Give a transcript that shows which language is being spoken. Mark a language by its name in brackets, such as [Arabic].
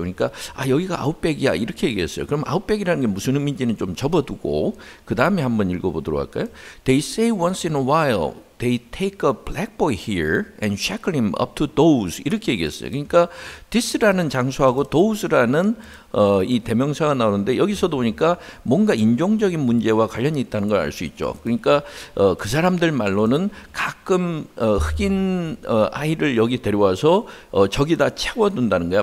[Korean] 그러니까 아 여기가 아웃백이야 이렇게 얘기했어요. 그럼 아웃백이라는 게 무슨 의미인지는 좀 접어두고 그다음에 한번 읽어보도록 할까요? [English] They say once in a while they take a black boy here and shackle him up to those [Korean] 이렇게 얘기했어요. 그러니까 this라는 장소하고 those라는 이 대명사가 나오는데 여기서도 보니까 뭔가 인종적인 문제와 관련이 있다는 걸알수 있죠. 그러니까 그 사람들 말로는 가끔 흑인 아이를 여기 데려와서 저기다 채워둔다는 거야.